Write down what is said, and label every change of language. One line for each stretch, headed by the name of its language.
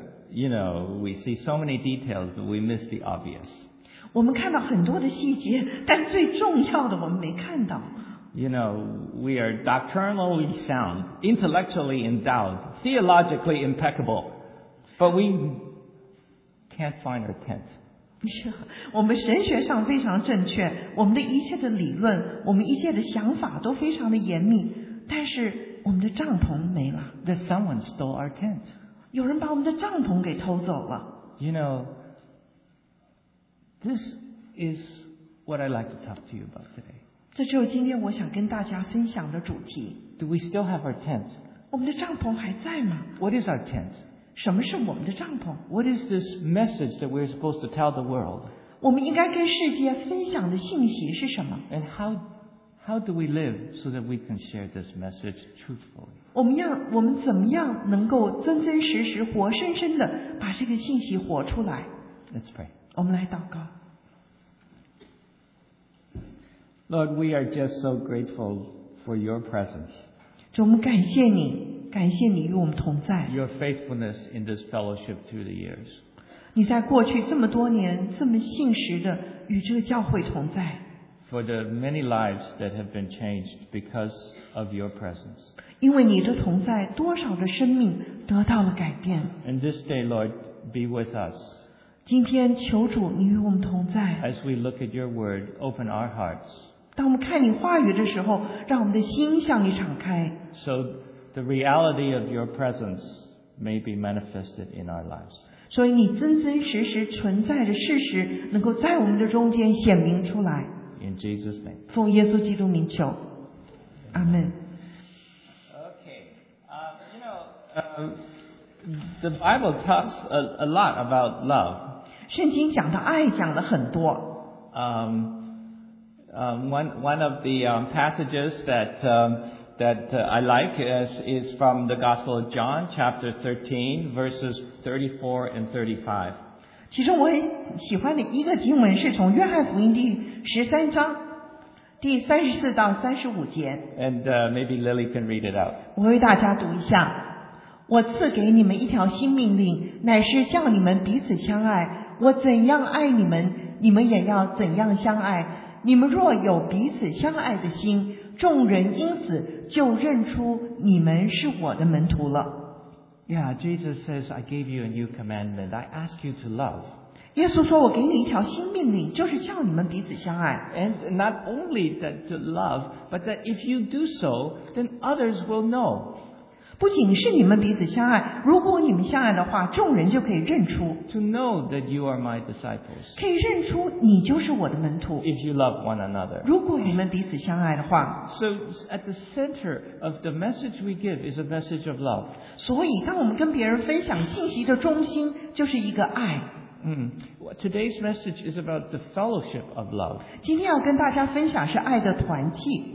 English: You know, we see so many details, but we miss the obvious.
Chinese: 我们看到很多的细节，但最重要的我们没看到。
English: You know, we are doctrinally sound, intellectually endowed, theologically impeccable, but we can't find our tent.
Chinese: 我们神学上非常正确，我们的一切的理论，我们一切的想法都非常的严密，但是我们的帐篷没了。
English: That someone stole our tent.
Chinese: 有人把我们的帐篷给偷走了。
English: You know, this is what I'd like to talk to you about today.
Chinese: 这就是今天我想跟大家分享的主题。
English: Do we still have our tent?
Chinese: 我们的帐篷还在吗？
English: What is our tent?
Chinese: 什么是我们的帐篷？
English: What is this message that we're supposed to tell the world?
Chinese: 我们应该跟世界分享的信息是什么？
English: And how do we live so that we can share this message truthfully?
Chinese: 我们怎么样能够真真实实活生生的把这个信息活出来？
English: Let's pray.
Chinese: 我们来祷告。
English: Lord, we are just so grateful for your presence.
Chinese: 主，我们感谢你，感谢你与我们同在。
English: Your faithfulness in this fellowship through the years.
Chinese: 你在过去这么多年，这么信实的与这个教会同在。
English: For the many lives that have been changed because of your presence.
Chinese: 因为你的同在，多少的生命得到了改变。
English: And this day, Lord, be with us.
Chinese: 今天求主你与我们同在。
English: As we look at your word, open our hearts.
Chinese: 当我们看你话语的时候，让我们的心向你敞开。
English: So the reality of your presence may be manifested in our lives.
Chinese: 所以你真真实实存在的事实能够在我们的中间显明出来。
English: In Jesus' name.
Chinese: 奉耶稣基督名求。阿门。
English: Okay. You know, the Bible talks a lot about love.
Chinese: 圣经讲的爱讲了很多。
English: One of the passages that I like is from the Gospel of John, chapter 13, verses 34 and 35.
Chinese: 其实我喜欢的一个经文是从约翰福音第十三章第三十四到三十五节。
English: And maybe Lily can read it out.
Chinese: 我为大家读一下。我赐给你们一条新命令，乃是叫你们彼此相爱。我怎样爱你们，你们也要怎样相爱。你们若有彼此相爱的心，众人因此就认出你们是我的门徒了。
English: Yeah, Jesus says, I gave you a new commandment. I ask you to love.
Chinese: 耶稣说，我给你一条新命令，就是叫你们彼此相爱。
English: And not only that to love, but that if you do so, then others will know.
Chinese: 不仅是你们彼此相爱，如果你们相爱的话，众人就可以认出。
English: To know that you are my disciples.
Chinese: 可以认出你就是我的门徒。
English: If you love one another.
Chinese: 如果你们彼此相爱的话。
English: So at the center of the message we give is a message of love.
Chinese: 所以当我们跟别人分享信息的中心就是一个爱。
English: Today's message is about the fellowship of love.
Chinese: 今天要跟大家分享是爱的团契。